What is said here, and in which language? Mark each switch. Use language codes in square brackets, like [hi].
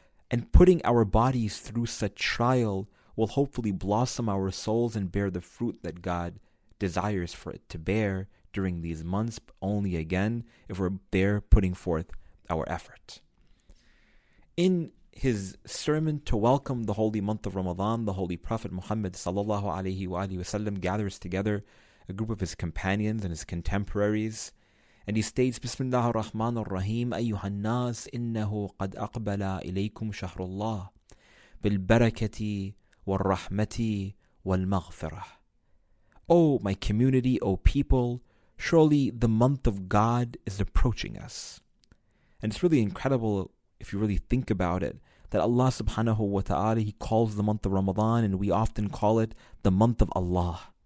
[en] And putting our bodies through such trial will hopefully blossom our souls and bear the fruit that God desires for it to bear during these months, only again if we're there putting forth our effort. In his sermon to welcome the holy month of Ramadan, the Holy Prophet Muhammad sallallahu alayhi wa alayhi wa sallam gathers together a group of his companions and his contemporaries. And he states, [ar] Bismillah ar-Rahman ar-Rahim, أيها الناس إنه قد أقبل إليكم شهر الله بالبركة والرحمة والمغفرة. [en] O my community, O people, surely the month of God is approaching us. And it's really incredible, if you really think about it, that Allah subhanahu wa ta'ala, He calls the month of Ramadan, and we often call it the month of Allah.